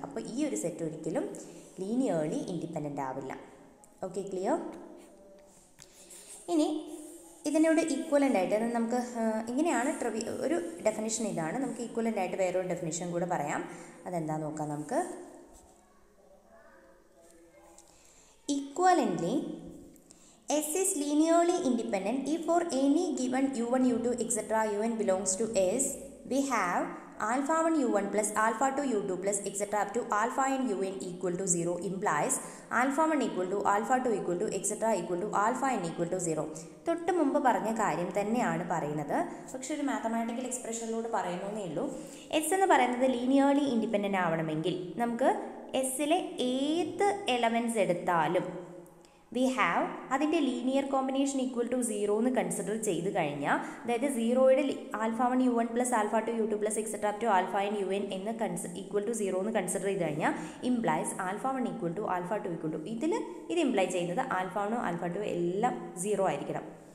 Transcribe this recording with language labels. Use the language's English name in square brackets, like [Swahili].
[Malayalam] അപ്പോൾ ഈ ഒരു സെറ്റ് ഒരിക്കലും ലീനിയർലി ഇൻഡിപെൻഡൻ്റ് ആവില്ല. Okay, clear? ഇനി ഇതിനോട് ഈക്വലൻ്റ് ആയിട്ട് നമുക്ക് ഇങ്ങനെയാണ് ഒരു ഡെഫിനിഷൻ ഇതാണ്. നമുക്ക് ഈക്വലൻ്റ് ആയിട്ട് വേറൊരു ഡെഫിനിഷൻ കൂടെ പറയാം, അതെന്താ നോക്കാം നമുക്ക്. [English] Equivalently, S is linearly independent if for any given u1, u2, etc. un belongs to S, we have alpha 1 u1 plus alpha 2 u2 plus etc. up to alpha n un equal to 0 implies alpha 1 equal to alpha 2 equal to etc. equal to alpha n equal to 0. [Malayalam] തൊട്ട് മുമ്പ് പറഞ്ഞ കാര്യം തന്നെയാണ് പറയുന്നത്, പക്ഷേ ഒരു mathematical എക്സ്പ്രഷനിലൂടെ പറയുന്നേ ഉള്ളൂ. എസ് എന്ന് പറയുന്നത് ലീനിയർലി ഇൻഡിപെൻഡൻ്റ് ആവണമെങ്കിൽ നമുക്ക് എസ്സിലെ ഏത് എലമെൻസ് എടുത്താലും വി ഹാവ് അതിൻ്റെ linear combination equal to zero എന്ന് കൺസിഡർ ചെയ്ത് കഴിഞ്ഞാൽ, അതായത് സീറോയുടെ alpha one you one plus alpha to you two plus etcetera up to alpha in U N എന്ന് ഈക്വൽ ടു സീറോ എന്ന് കൺസിഡർ ചെയ്ത് കഴിഞ്ഞാൽ implies alpha one equal to alpha two equal to, ഇതിൽ ഇത് imply ചെയ്യുന്നത് alpha വണ്ണും alpha to എല്ലാം zero ആയിരിക്കണം.